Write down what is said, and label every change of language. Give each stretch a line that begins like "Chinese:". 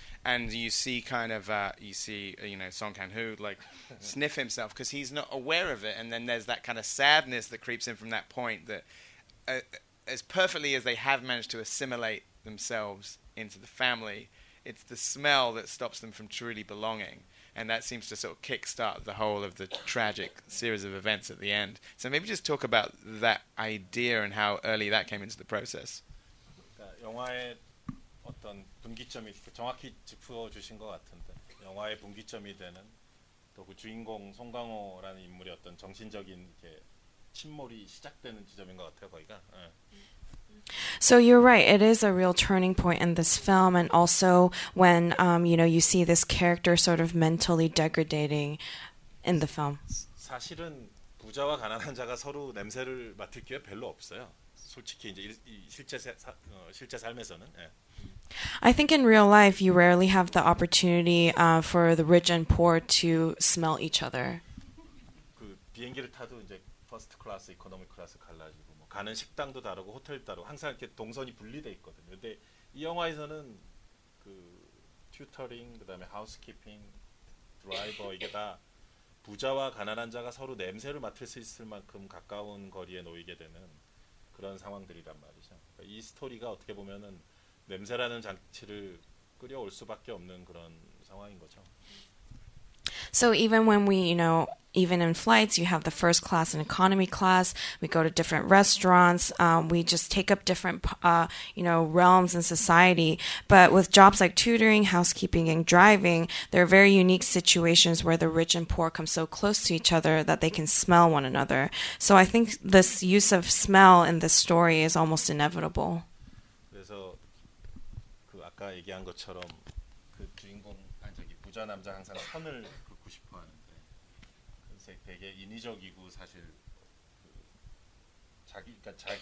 English: And you see kind of, Song Kang-ho, like, sniff himself because he's not aware of it. And then there's that kind of sadness that creeps in from that point that as perfectly as they have managed to assimilate themselves into the family, it's the smell that stops them from truly belonging. And that seems to sort of kickstart the whole of the tragic series of events at the end. So maybe just talk about that idea and how early that came into the process.
Korean: 영화의 어떤 분기점이 정확히 짚어 주신 것 같은데 영화의 분기점이 되는 또 그 주인공 송강호라는 인물의 어떤 정신적인 이렇게 침몰이 시작되는 지점인 것 같아요 거기가. 네.
English: So you're right, it is a real turning point in this film, and also when you see this character sort of mentally degrading in the film.
Korean: 사실은 부자와 가난한 자가 서로 냄새를 맡을 기회 별로 없어요. 솔직히 이제 실제 삶에서는. 네.
English: I think in real life, you rarely have the opportunity for the rich and poor to smell each other.
Korean: 그 비행기를 타도 이제 퍼스트 클래스, 이코노미 클래스 갈라지고 뭐 가는 식당도 다르고 호텔도 다르고 항상 이렇게 동선이 분리돼 있거든요. 근데 이 영화에서는 그 튜터링, 그다음에 하우스키핑, 드라이버 이게 다 부자와 가난한 자가 서로 냄새를 맡을 수 있을 만큼 가까운 거리에 놓이게 되는 그런 상황들이란 말이죠. 그러니까 이 스토리가 어떻게 보면은 냄새라는 장치를 끌어올 수밖에 없는 그런 상황인 거죠.
English: So even when we, you know, even in flights, you have the first class and economy class. We go to different restaurants. We just take up different, realms in society. But with jobs like tutoring, housekeeping, and driving, there are very unique situations where the rich and poor come so close to each other that they can smell one another. So I think this use of smell in this story is almost inevitable.
Korean: 그래서 그 아까 얘기한 것처럼 그 주인공 부자 남자 항상 선을 긋고 싶어 하는데 그래서 되게 인위적이고 사실 그 자기가